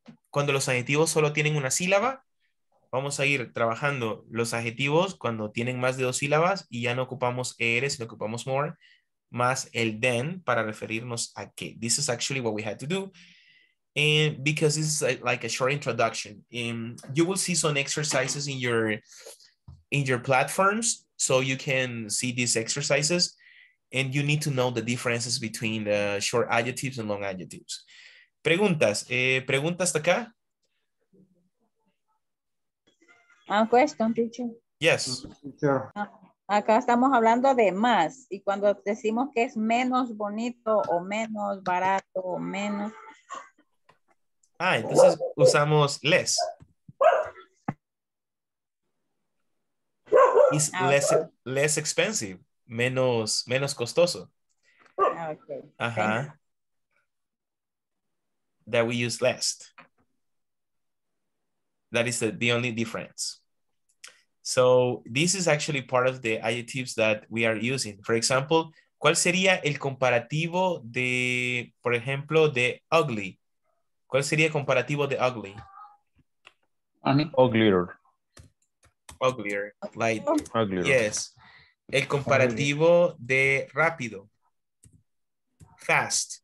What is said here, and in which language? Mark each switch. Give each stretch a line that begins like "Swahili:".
Spanish: Cuando los adjetivos solo tienen una sílaba, vamos a ir trabajando los adjetivos cuando tienen más de dos sílabas y ya no ocupamos er, sino ocupamos more, más el then para referirnos a qué.
English: This is actually what we had to do. And because this is like a short introduction, you will see some exercises in your platforms, so you can see these exercises, and you need to know the differences between the short adjectives and long adjectives.
Spanish: Preguntas, preguntas hasta acá.
English: A question, teacher. Yes.
Spanish: Acá estamos hablando de más, y cuando decimos que es menos bonito o menos barato o menos. Ah, entonces usamos less.
English: It's less expensive,
Spanish: menos costoso.
English: Okay. Ajá. That we use less. That is the only difference. So this is actually part of the adjectives that we are using.
Spanish: For example, ¿cuál sería el comparativo de, por ejemplo, de ugly? ¿Cuál sería el comparativo de ugly?
English: Uglier. Uglier. Like, uglier. Yes.
Spanish: El comparativo de rápido.
English: Fast.